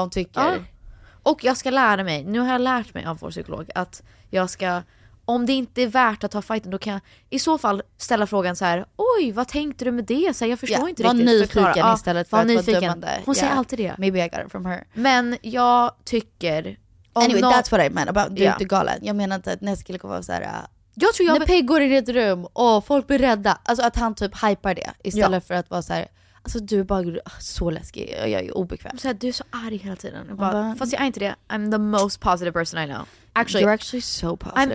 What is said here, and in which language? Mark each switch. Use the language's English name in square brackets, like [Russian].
[Swedish] hon tycker. Ja. Och jag ska lära mig, nu har jag lärt mig av vår psykolog, att jag ska... Om det inte är värt att ta fighten, då kan jag i så fall ställa frågan så här: oj, vad tänkte du med det? Så här, jag förstår inte var riktigt. Var nyfiken istället för att vara dömande. Hon säger alltid det. [English] Maybe I got it from her. [Swedish] Men jag tycker... [English] Anyway, that's what I meant about the galen. [Swedish] Jag menar inte att nästa kille kommer vara så här, jag tror jag när Pig går in i ett rum och folk blir rädda. Alltså att han typ hypar det istället för att vara så här: alltså du är bara så läskig och jag är obekväm. Så här, du är så arg hela tiden. Fast jag är inte det. [English] I'm the most positive person I know. Actually, you're actually so positive.